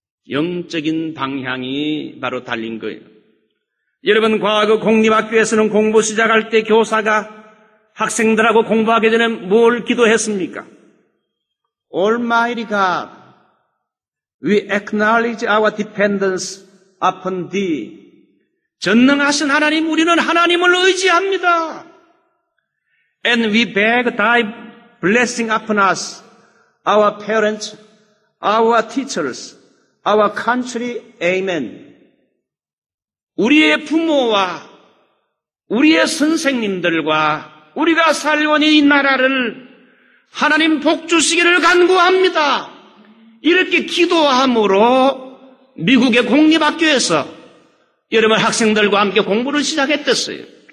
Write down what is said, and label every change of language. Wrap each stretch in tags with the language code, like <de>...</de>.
<ko>영적인 방향이 바로 달린 거예요. 여러분, 과거 공립학교에서는 공부 시작할 때 교사가 학생들하고 공부하기 전에 뭘 기도했습니까?</ko> <en>Almighty God, we acknowledge our dependence upon thee.</en> <ko>전능하신 하나님, 우리는 하나님을 의지합니다.</ko> <en>And we beg thy blessing upon us, our parents, our teachers, our country. Amen.</en> <ko>우리의 부모와 우리의 선생님들과 우리가 살고 있는 이 나라를 하나님 복주시기를 간구합니다. 이렇게 기도함으로 미국의 공립학교에서 여러분 학생들과 함께 공부를 시작했댔어요.</ko>